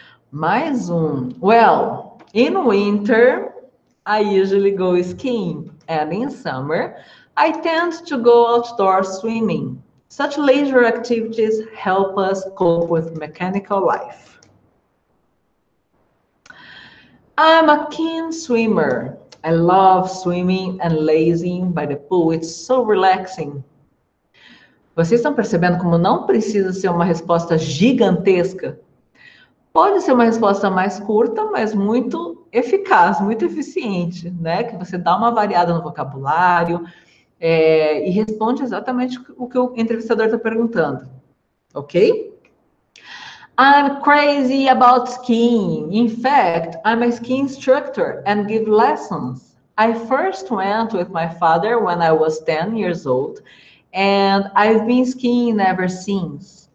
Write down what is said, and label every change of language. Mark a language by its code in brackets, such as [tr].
[pt] Mais um. [en] Well, in winter, I usually go skiing, and in summer, I tend to go outdoor swimming. Such leisure activities help us cope with mechanical life. I'm a keen swimmer. I love swimming and lazing by the pool. It's so relaxing. [pt] Vocês estão percebendo como não precisa ser uma resposta gigantesca? Pode ser uma resposta mais curta, mas muito eficaz, muito eficiente, né? Que você dá uma variada no vocabulário, e responde exatamente o que o entrevistador está perguntando. [en] Ok? I'm crazy about skiing. In fact, I'm a ski instructor and give lessons. I first went with my father when I was 10 years old, and I've been skiing ever since.